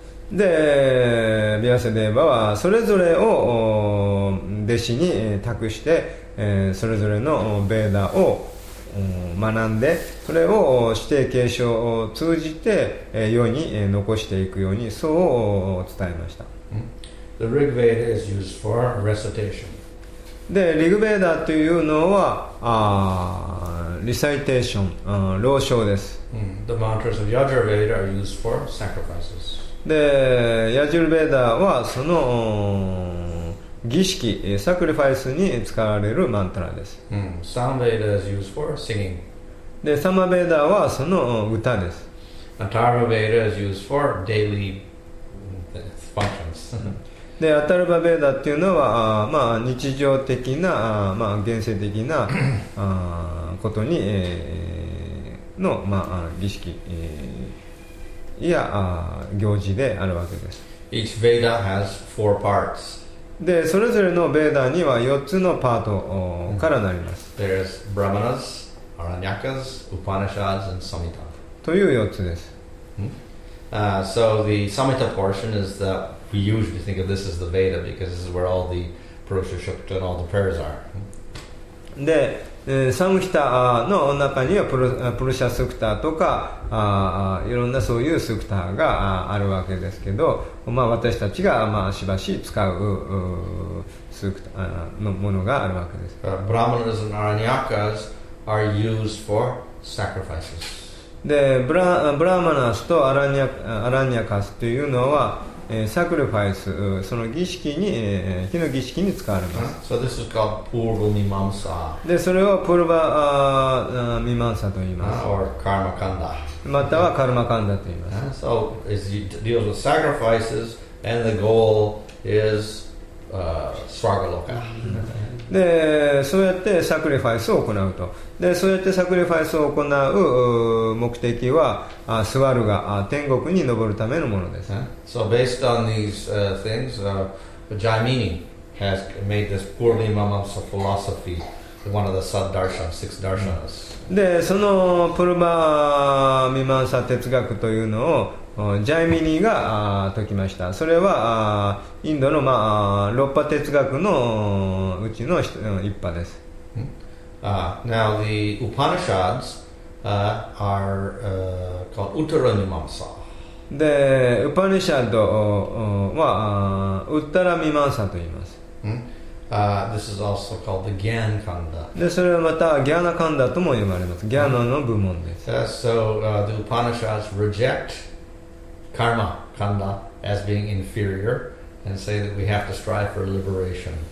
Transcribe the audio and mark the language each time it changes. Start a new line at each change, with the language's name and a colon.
Japanese: でビアサデーバはそれぞれを弟子に託してそれぞれのベーダを学んで、それを指定継承を通じて世に残していくように、そう伝えました。
English: The Rig Veda is used for recitation.
Japanese: で、リグベーダというのはリサイテーション、朗唱です。
English: The mantras of Yajur Veda are used for sacrifices.
Japanese: で、ヤジュルベーダはその儀式、サクリファイスに使われるマントラです。
English: サマベーダ is used for singing.
Japanese: で、サマベーダはその歌です。
English: アタルバベーダ is used for daily functions.
Japanese: で、アタルバベーダっていうのは、まあ、日常的な、まあ、現世的なことに、の、まあ、儀式、や行事であるわけです。
English: Each Veda has four parts.
Japanese: でそれぞれのベーダーには4つのパートからなります。
English: There's Brahmanas, Aranyakas, Upanishads and Samhita
Japanese: という4つです、
English: So the Samhita portion is that we usually think of this as the Veda because this is where all the Purusha Shukta and all the prayers are.
Japanese: で、サムヒタの中にはプルシャスクタとかいろんなそういうスクタがあるわけですけど、まあ、私たちが、まあ、しばし使うスクタのものがあるわけです。
English: ブラマナズ and アラニャカズ are used for sacrifices.
Japanese: でブラマナズとアラニャカズというのはサクリファイス、その儀式に、火の儀式に使われます。
English: So this is called Purva Mimamsa.
Japanese: で、それをプルバミマンサと言います。
English: Or Karma Kanda.
Japanese: またはカルマカンダと言います。
English: So as it deals with sacrifices and the goal is Swargaloka.
Japanese: で、そうやってサクリファイスを行うと。で、そうやってサクリファイスを行う目的は、スワルガ、天国に登るためのものです。
English: So based on these things, Jaimini has made this Purva Mimamsa philosophy, one of the Saddarshan, six darshanas.
Japanese: で、そのプルバミマンサ哲学というのを、ジャイミニが説きました。それはインドの、まあ、六派哲学のうちの一派です。
English: Now the Upanishads are called Uttara Mimamsa.
Japanese: で、ウパニシャドはウッタラミマンサと言います。
English: This is also called the Gyan Kanda.
Japanese: で、それはまたギャナカンダとも呼ばれます。ギャナの部門です。
English: So the Upanishads rejectKarma, Kanda, as being inferior, and say that we have to strive for liberation.